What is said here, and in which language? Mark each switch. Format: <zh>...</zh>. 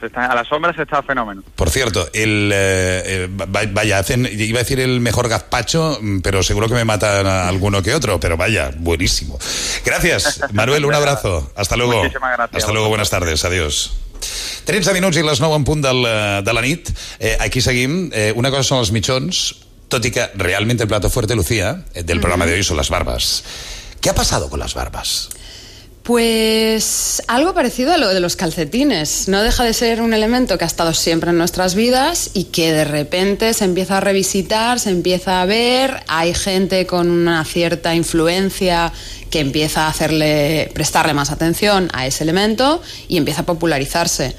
<es>A la sombra se está fenómeno. Por cierto, iba a decir el mejor gazpacho, pero seguro que me matan a alguno que otro, pero vaya, buenísimo. Gracias, Manuel, un abrazo. Hasta luego. Muchísimas gracias. Hasta luego, buenas tardes. Adiós.</es> <ca>13 minuts i les 9 en punt de la nit. Aquí seguim. Una cosa són els mitjons, tot i que realment</ca> <es>el plato fuerte, Lucía, del programa de hoy</es> <ca>són les barbes.</ca> <es>¿Qué ha pasado con las barbas? Pues algo parecido a lo de los calcetines. No deja de ser un elemento que ha estado siempre en nuestras vidas y que de repente se empieza a revisitar, se empieza a ver. Hay gente con una cierta influencia que empieza a prestarle más atención a ese elemento y empieza a popularizarse.</es>